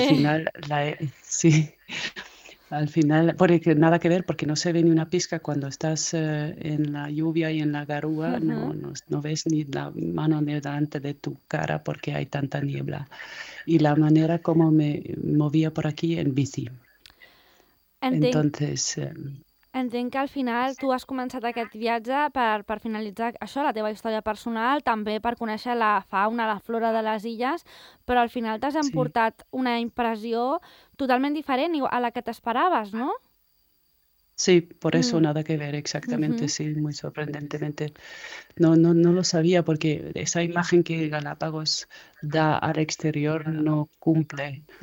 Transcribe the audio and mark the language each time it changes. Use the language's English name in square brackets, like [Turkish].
[Spanish] final, sí, al final, porque nada que ver, porque no se ve ni una pizca cuando estás en la lluvia y en la garúa, no ves ni la mano delante de tu cara porque hay tanta niebla. Y la manera como me movía por aquí en bici. [Catalan] Entenc [Spanish] Entonces, [Catalan] que al final tu has començat aquest viatge per finalitzar això, la teva història personal, també per conèixer la fauna, la flora de les illes, però al final t'has [Spanish] sí. [Catalan] emportat una impressió totalment diferent a la que t'esperaves, no? [Spanish] Sí, por eso nada que ver, exactamente, sí, muy sorprendentemente. No lo sabía porque esa imagen que Galápagos da al exterior no cumple.